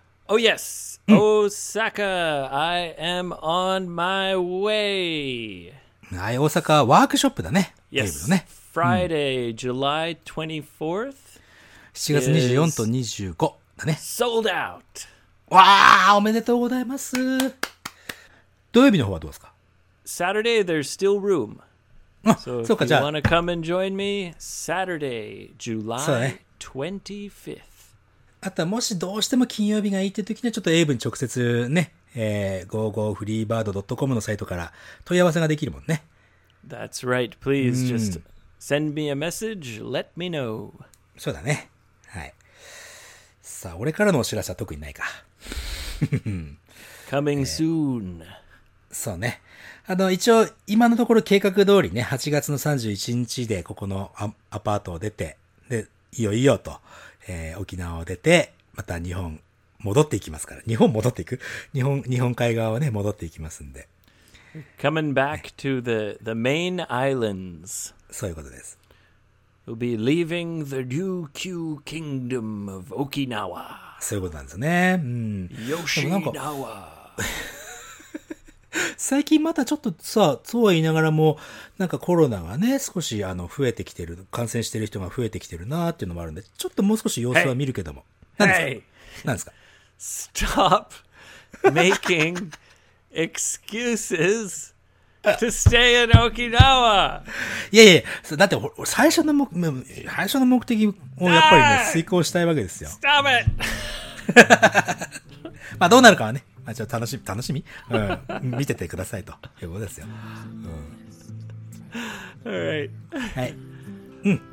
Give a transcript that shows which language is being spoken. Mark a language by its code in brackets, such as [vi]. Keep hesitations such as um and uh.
[en] Oh yes! Osaka, I am on my way. [ja] はい、大阪ワークショップだね。 [en] Yes. ね Friday, July 24th. [ja] 7月24と 25だ [en] ね。Sold out. わ [ja] ー、おめでとうございます。土曜日の方はどうですか [en] ?Saturday, there's still room. [ja] <S そうか、じゃあ。 [en] wanna come and join me Saturday, July 25th.、ね、 [ja] あとは、もしどうしても金曜日がいいって時には、ちょっと英文直接ね、えー、gogofreebird.com のサイトから問い合わせができるもんね。 [en] That's right. Please just send me a message. Let me know. [ja] そうだね。はい。さあ、俺からのお知らせは特にないか。 [en] Coming soon.、 [ja] えーそうね。あの、一応、今のところ計画通りね、8月の31日でここのアパートを出て、で、いよいよと、えー、沖縄を出て、また日本、戻っていきますから。日本戻っていく日本、日本海側をね、戻っていきますんで。 [en] Coming back to the,、ね、the main islands. [ja] そういうことです。 [en] We'll be leaving the Ryukyu Kingdom of [ja] o k そういうことなんですね。うん。y o s 最近またちょっとさ、そうは言いながらも、なんかコロナがね、少しあの、増えてきてる、感染してる人が増えてきてるなっていうのもあるんで、ちょっともう少し様子は見るけども。 [en] はい、何ですか、い、hey.、?Stop making excuses to stay in Okinawa! [ja] いやいや、だって最初の目、最初の目的をやっぱりね、遂行したいわけですよ。 [en] Stop it! [ja] まあどうなるかはね。あじゃ楽しみ、楽しみ、うん、見ててくださいと。いうことですよ。うん。Right. はい。うん。